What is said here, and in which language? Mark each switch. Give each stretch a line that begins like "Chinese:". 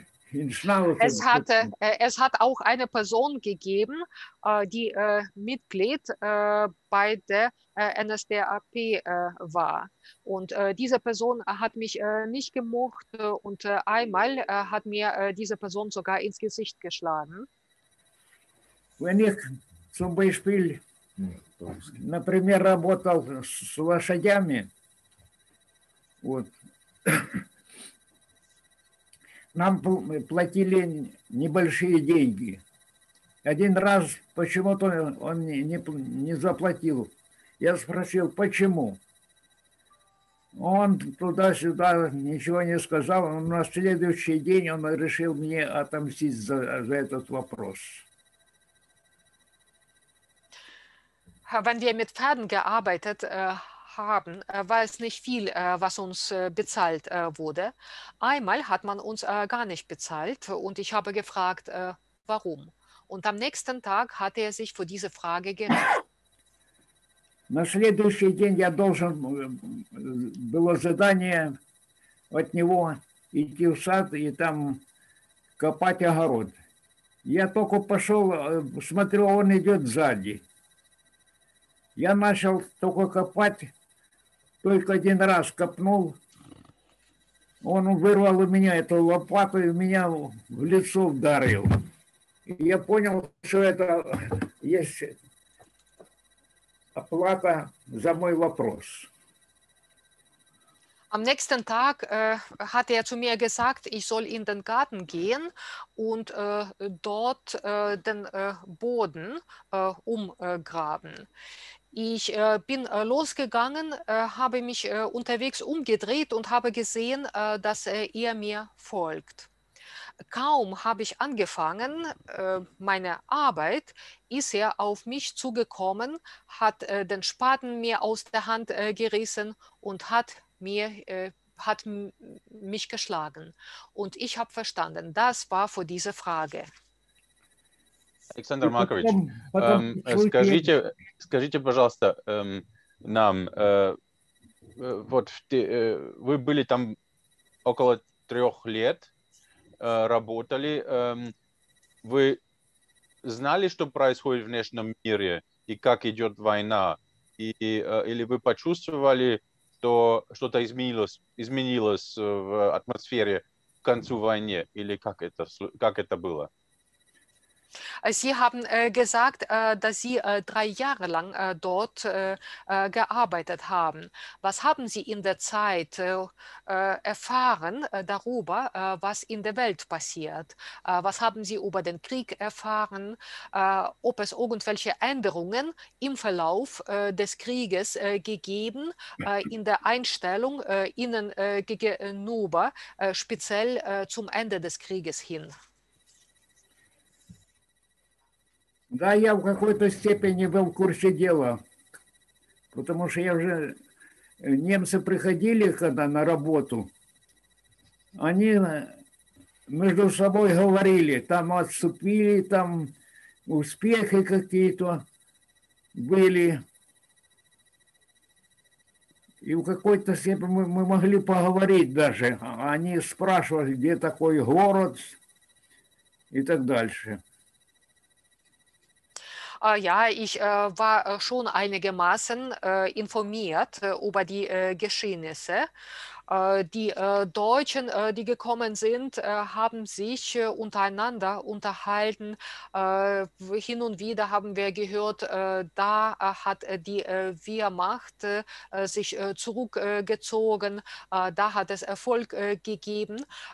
German: Es hat auch eine Person gegeben, die Mitglied bei der NSDAP war. Und diese Person hat mich nicht gemocht und einmal hat mir diese Person sogar ins Gesicht geschlagen. Wenn ich zum Beispiel,
Russian: например, работал с лошадями, вот. Нам платили небольшие деньги. Один раз почему-то он не заплатил. Я спросил, почему? Он туда-сюда ничего не сказал. Но на следующий день он решил мне отомстить за этот вопрос.
German: Wenn wir mit Pferden gearbeitet haben, weil es nicht viel, was uns bezahlt wurde. Einmal hat man uns gar nicht bezahlt und ich habe gefragt, warum. Und am nächsten Tag hat er sich für diese Frage gerecht.
Russian: На следующий день я должен было задание от него идти в сад и там копать огород. Я только пошел, смотрю, он идет сзади. Я начал только копать, только один раз копнул. Он вырвал у меня эту лопату и меня в лицо ударил. И я понял, что это есть оплата за мой вопрос.
German: Am nächsten Tag hat er zu mir gesagt, ich soll in den Garten gehen und dort den Boden umgraben. Ich bin losgegangen, habe mich unterwegs umgedreht und habe gesehen, dass er mir folgt. Kaum habe ich angefangen, meine Arbeit, ist er auf mich zugekommen, hat den Spaten mir aus der Hand gerissen und hat mich geschlagen. Und ich habe verstanden, das war für diese Frage.
Russian: Александр Маркович, скажите, пожалуйста, нам, вот вы были там около трех лет, работали, вы знали, что происходит в внешнем мире и как идет война, и, или вы почувствовали, что что-то изменилось в атмосфере к концу войны, или как это было?
German: Sie haben gesagt, dass Sie drei Jahre lang dort gearbeitet haben. Was haben Sie in der Zeit erfahren darüber, was in der Welt passiert? Was haben Sie über den Krieg erfahren? Ob es irgendwelche Änderungen im Verlauf des Krieges gegeben in der Einstellung Ihnen gegenüber, speziell zum Ende des Krieges hin?
Russian: Да, я в какой-то степени был в курсе дела, потому что я уже немцы приходили когда на работу, они между собой говорили, там отступили, там успехи какие-то были, и в какой-то степени мы могли поговорить даже, они спрашивали, где такой город и так дальше.
German: Ja, ich war schon einigermaßen informiert über die Geschehnisse. Die Deutschen, die gekommen sind, haben sich untereinander unterhalten. Hin und wieder haben wir gehört, da hat die Wehrmacht sich zurückgezogen, da hat es Erfolg gegeben.